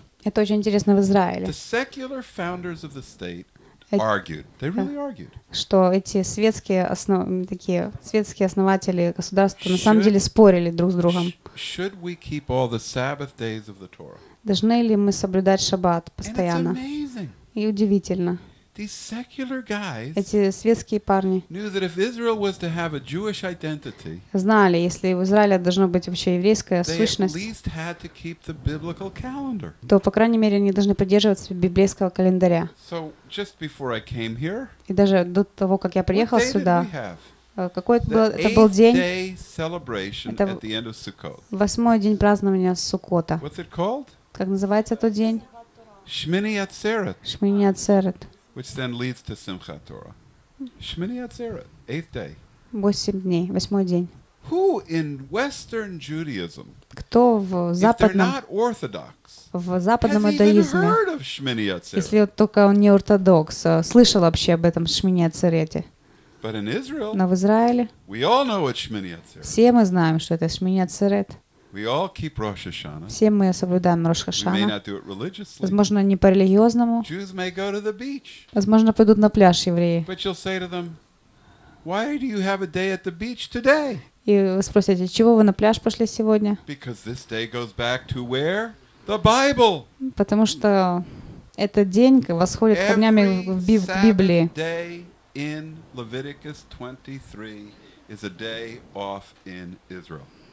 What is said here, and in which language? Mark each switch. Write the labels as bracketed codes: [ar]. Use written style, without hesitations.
[ru] Это очень интересно в Израиле. [en] The secular founders of the state argued. They really argued. [ru] Что эти светские светские основатели государства на самом деле спорили друг с другом. [en] Should we keep all the Sabbath days of the Torah? [ru] Должны ли мы соблюдать Шаббат постоянно? [en] And it's amazing. [ru] И удивительно. [en] These secular guys, [ru] эти светские парни, [en] knew that if Israel was to have a Jewish identity, [ru] знали, если в Израиле должно быть вообще еврейская сущность, [en] they at least had to keep the biblical calendar. [ru] То, по крайней мере, они должны придерживаться библейского календаря. [en] So, just before I came here, [ru] и даже до того, как я приехал сюда, [en] what day did we have? [ru] Какой это был, [en] the [ru] был день? [en] Eighth day celebration at the end of Sukkot. [ru] Восьмой день празднования Суккота. [en] What's it called? [ru] Как называется тот день? Шмини Ацерет. Шмини Ацерет. [en] Which then leads to Simchat Torah. Shmini Atzeret, eighth day. [ru] Восемь дней, восьмой день. [en] Who in Western Judaism, [ru] кто в западном, [en] if they're not Orthodox, [ru] в западном иудаизме, [en] has even heard of Shmini Atzeret? [ru] Если только он не ортодокс, слышал вообще об этом Shmini Atzerete. [en] But in Israel, [ru] но в Израиле, [en] we all know what Shmini Atzeret. [ru] Все мы знаем, что это Shmini Atzeret. [en] We all keep Rosh Hashanah. [ru] Все мы соблюдаем Рош Хашана. [en] We may not do it religiously. [ru] Возможно, не по-религиозному. [en] Jews may go to the beach. [ru] Возможно, пойдут на пляж евреи. [en] But you'll say to them, "Why do you have a day at the beach today?" [ru] И вы спросите, чего вы на пляж пошли сегодня? [en] Because this day goes back to where? The Bible. [ru] Потому что этот день восходит корнями в Библии. [en] Every day in Leviticus 23 is a day off in Israel.